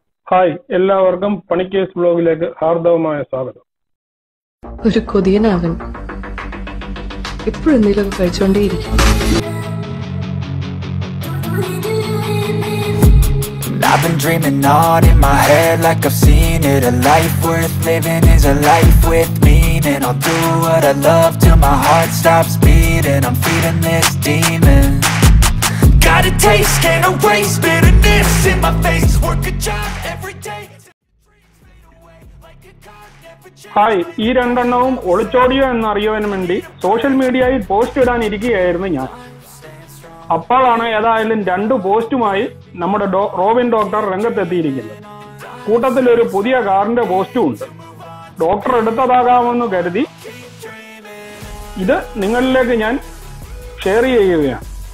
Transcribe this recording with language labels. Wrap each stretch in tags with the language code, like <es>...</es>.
<ml>Hi, എല്ലാവർക്കും പണിക്കേഴ്സ് ബ്ലോഗിലേക്ക് ഹാർദവമായ സ്വാഗതം. ഒരു കൊതിയനാകൻ എപ്പോഴും എന്തെങ്കിലും കഴിച്ചോണ്ടേയിരിക്കും.</ml> <en>I've been dreaming on in my head like I've seen it. A life worth living is a life with meaning. I'll do what I love till my heart stops beating. I'm feeding this demon. Got a taste, can't erase bitterness in my face. Work a job every day.</en> <ml>Hi, ഈ രണ്ടെണ്ണവും ഒളിച്ചോടിയോ എന്ന് അറിയുവാൻ വേണ്ടി social മീഡിയയിൽ post ഇടാനിരിക്കുകയായിരുന്നു ഞാൻ. അപ്പോഴാണ് ഏതായാലും രണ്ടു പോസ്റ്റുമായി നമ്മുടെ റോബിൻ ഡോക്ടർ രംഗത്തെത്തിയിരിക്കുന്നത്. കൂട്ടത്തിൽ ഒരു പുതിയ കാറിന്റെ പോസ്റ്റും ഉണ്ട്. ഡോക്ടർ എടുത്തതാകാമെന്ന് കരുതി ഇത് നിങ്ങളിലേക്ക് ഞാൻ ഷെയർ ചെയ്യുകയാണ്.</ml>